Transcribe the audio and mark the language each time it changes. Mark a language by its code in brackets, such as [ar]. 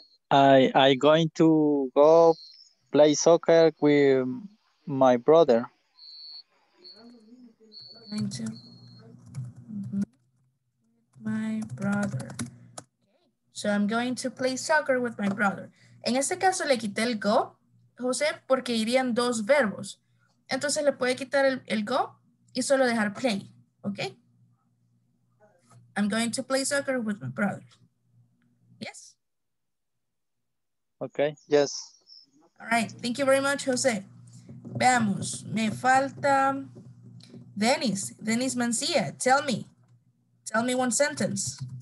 [en] I going to go play soccer with my brother. Going to my brother. So I'm going to play soccer with my brother. [es] En este caso le quité el go, José, porque irían dos verbos. Entonces le puede quitar el go y solo dejar play, okay? [en] I'm going to play soccer with my brother. Yes. Okay, yes. All right, thank you very much, Jose. [es] Veamos, me falta [en] Dennis Mancilla. Tell me one sentence.